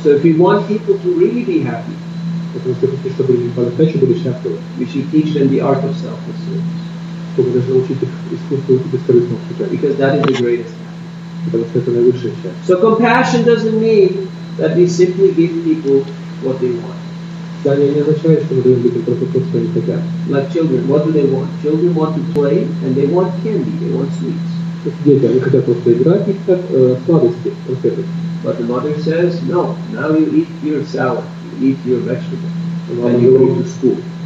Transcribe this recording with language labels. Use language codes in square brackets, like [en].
[en] So if you want people to really be happy, [ru] потому что хотите, чтобы люди по-настоящему были счастливы, [en] you should teach them the art of self-service. [ru] Вы должны учить их искусству бескорыстного служения. [en] Because that is the greatest. [ru] Потому что это наилучшее счастье. [en] So compassion doesn't mean that we simply give people what they want. Like children, what do they want? Children want to play and they want candy, they want sweets. But the mother says, no, now you eat your salad, you eat your vegetable, and then you go to school.